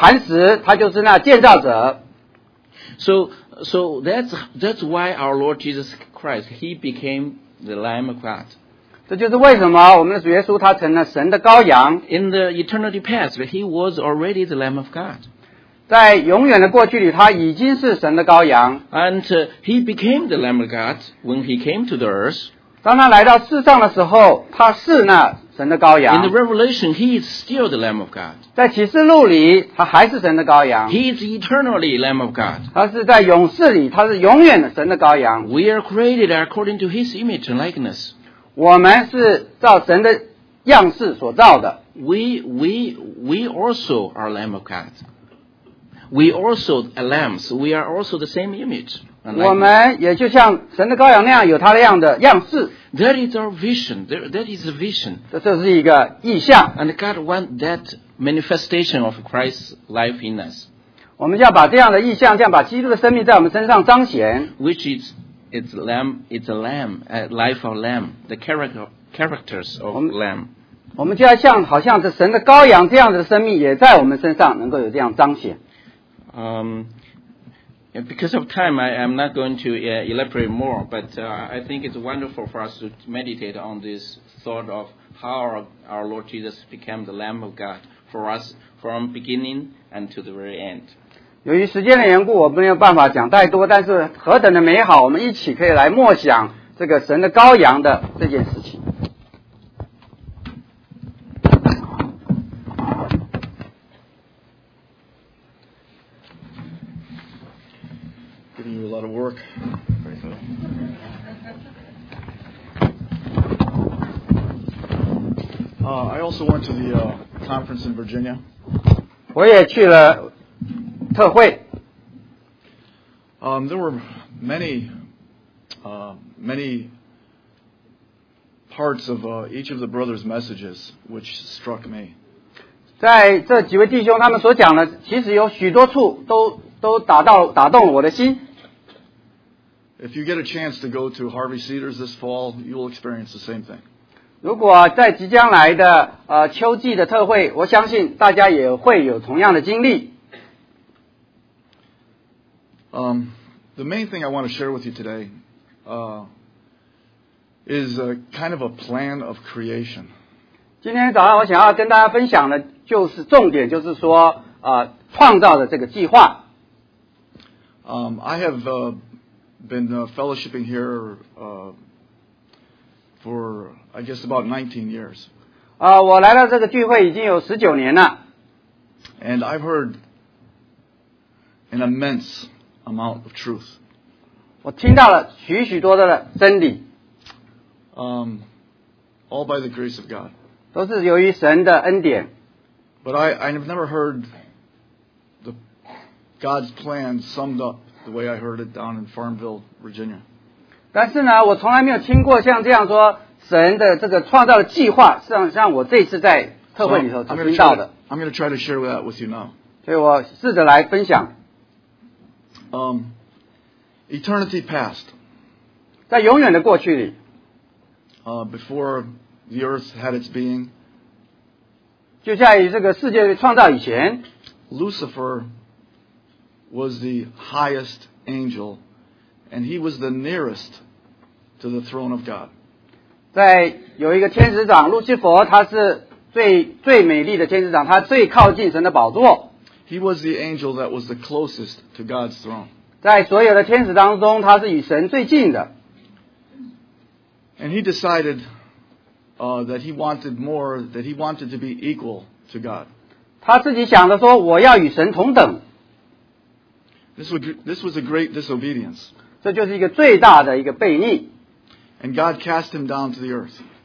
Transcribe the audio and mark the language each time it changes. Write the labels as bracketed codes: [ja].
[zh] 他就是那磐石，他就是那建造者。 [en] So that's why our Lord Jesus Christ, He became the Lamb of God. [zh] 这就是为什么我们的主耶稣他成了神的羔羊。 [en] In the eternity past, He was already the Lamb of God. [zh] 在永远的过去里，他已经是神的羔羊。 [en] And He became the Lamb of God when He came to the earth. [zh] 当他来到世上的时候，他是那神的羔羊。 [en] In the Revelation, he is still the Lamb of God. [zh] 在启示录里，他还是神的羔羊。 [en] He is eternally Lamb of God. [zh] 他是在永世里，他是永远的神的羔羊。 [en] We are created according to His image and likeness. [zh] 我们是照神的样式所造的。 [en] We also are Lamb of God. We also are lambs. We are also the same image. [zh] 我们也就像神的羔羊那样，有他的样的样式。 [en] That is our vision. That is a vision. [zh] 这是一个意象。 [en] And God wants that manifestation of Christ's life in us. [zh] 我们要把这样的意象，这样把基督的生命在我们身上彰显。 [en] Which is it's lamb? It's a lamb. A life of lamb. The characters of lamb. [zh] 我们就要像好像这神的羔羊这样的生命，也在我们身上能够有这样彰显。 [en] Because of time, I'm not going to elaborate more, but I think it's wonderful for us to meditate on this thought of how our Lord Jesus became the Lamb of God for us from beginning and to the very end. [zh] 由于时间的缘故，我没有办法讲太多，但是何等的美好，我们一起可以来默想这个神的羔羊的这件事情。 [en] A lot of work. I also went to the conference in Virginia. [zh] 我也去了特会。 [en] There were many, many parts of each of the brothers' messages which struck me. [zh] 在这几位弟兄他们所讲的，其实有许多处都打动了我的心。 [en] If you get a chance to go to Harvey Cedars this fall, you will experience the same thing. [zh] 如果在即将来的秋季的特会，我相信大家也会有同样的经历。 [en] The main thing I want to share with you today, is a kind of a plan of creation. [zh] 今天早上我想要跟大家分享的就是重点，就是说创造的这个计划。 [en] I have been fellowshipping here for I guess about 19 years. [zh] 我来到这个聚会已经有19年了。 [en] And I've heard an immense amount of truth. [zh] 我听到了许许多多的真理。 [en] All by the grace of God. [zh] 都是由于神的恩典。 [en] But I have never heard the God's plan summed up the way I heard it down in Farmville, Virginia. [zh] 但是呢，我从来没有听过像这样说神的这个创造的计划，像我这次在特会里头听到的。 [en] So, I'm going to try to share that with you now. [zh] 所以我试着来分享。 [en] Eternity past. [zh] 在永远的过去里。 [en] Before the earth had its being. [zh] 就在于这个世界创造以前。 [en] Lucifer was the highest angel, and he was the nearest to the throne of God. [zh] 在有一个天使长路西佛，他是最美丽的天使长，他最靠近神的宝座。 [en] He was the angel that was the closest to God's throne. [zh] 在所有的天使当中，他是与神最近的。 [en] And he decided that he wanted more, that he wanted to be equal to God. [zh] 他自己想着说，我要与神同等。 [en] This was a great disobedience. [zh] 这就是一个最大的一个悖逆。 [en] And God cast him down to the earth.